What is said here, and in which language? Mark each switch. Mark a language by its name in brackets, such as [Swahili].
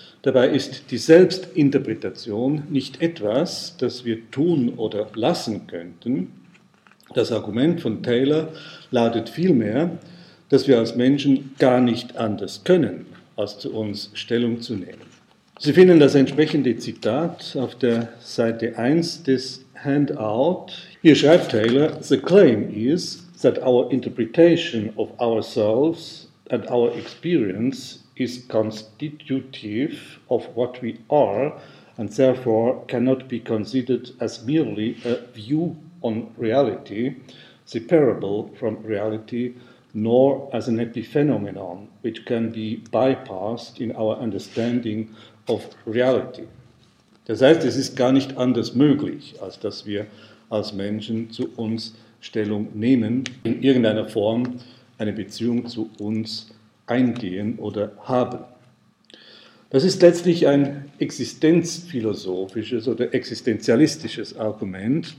[German] Dabei ist die Selbstinterpretation nicht etwas, das wir tun oder lassen könnten. Das Argument von Taylor lautet vielmehr, dass wir als Menschen gar nicht anders können, als zu uns Stellung zu nehmen. Sie finden das entsprechende Zitat auf der Seite 1 des Handout. Hier schreibt Taylor, [English] "The claim is that our interpretation of ourselves and our experience is constitutive of what we are and therefore cannot be considered as merely a view on reality, separable from reality, nor as an epiphenomenon which can be bypassed in our understanding of reality." [German] Das heißt, es ist gar nicht anders möglich, als dass wir als Menschen zu uns Stellung nehmen, in irgendeiner Form eine Beziehung zu uns eingehen oder haben. Das ist letztlich ein existenzphilosophisches oder existenzialistisches Argument.